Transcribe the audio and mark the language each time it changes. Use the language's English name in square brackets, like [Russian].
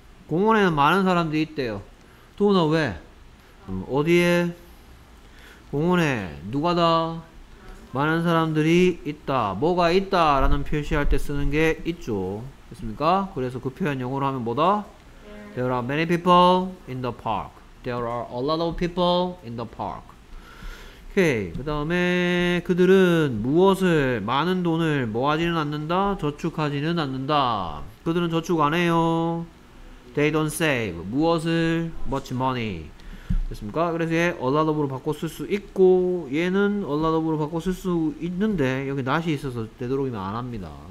[Korean] 공원에는 많은 사람들이 있대요. 도너 왜? 어디에? 공원에 누가 다? 많은 사람들이 있다. 뭐가 있다 라는 표시할 때 쓰는 게 있죠. 됐습니까? 그래서 그 표현 영어로 하면 뭐다? [English] There are many people in the park. There are a lot of people in the park. [Korean] 오케이. 그 다음에 그들은 무엇을 많은 돈을 모아지는 않는다? 저축하지는 않는다. 그들은 저축 안 해요. [English] They don't save. [Korean] 무엇을? [English] Much money. [Korean] 됐습니까? 그래서 얘 a lot of로 바꿔 쓸 수 있고 얘는 a lot of로 바꿔 쓸 수 있는데 여기 not이 있어서 되도록이면 안 합니다.